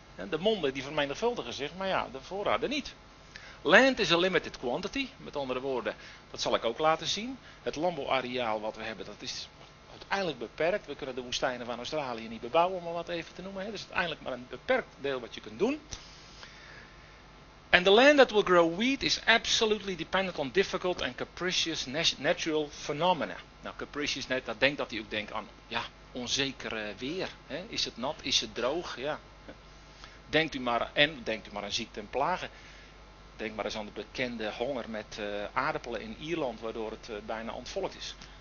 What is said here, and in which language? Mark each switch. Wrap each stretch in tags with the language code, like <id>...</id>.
<nl>De monden die vermenigvuldigen zich, maar ja, de voorraden niet.</nl> <en>Land is a limited quantity,</en> <nl>met andere woorden, dat zal ik ook laten zien. Het landbouwareaal wat we hebben, dat is uiteindelijk beperkt. We kunnen de woestijnen van Australië niet bebouwen, om wat even te noemen. Het is uiteindelijk maar een beperkt deel wat je kunt doen.</nl> <en>And the land that will grow wheat is absolutely dependent on difficult and capricious natural phenomena.</en> <nl>Nou, capricious, net, dat denkt dat hij ook denkt aan, ja, onzekere weer. Hè? Is het nat, is het droog, ja. Denkt u maar aan ziekte en plagen. Denk maar eens aan de bekende honger met aardappelen in Ierland, waardoor het bijna ontvolkt is.</nl>